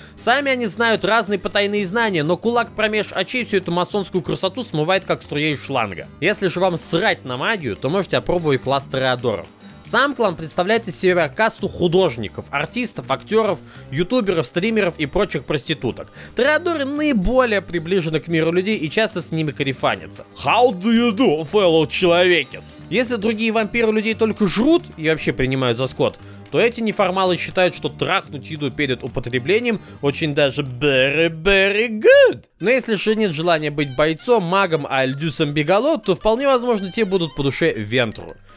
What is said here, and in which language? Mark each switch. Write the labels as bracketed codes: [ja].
[ru] Сами они знают разные потайные знания, но кулак промеж очей всю эту масонскую красоту смывает как струя из шланга. Если же вам срать на магию, то можете опробовать класс Тореадоров. Сам клан представляет из себя касту художников, артистов, актеров, ютуберов, стримеров и прочих проституток. Тореадоры наиболее приближены к миру людей и часто с ними корефанятся. [en] How do you do, fellow [ru] человекис? Если другие вампиры людей только жрут и вообще принимают за скот, то эти неформалы считают, что трахнуть еду перед употреблением очень даже [en] very good. [ru] Но если же нет желания быть бойцом, магом, альдюсом бегало, то вполне возможно те будут по душе Вентру.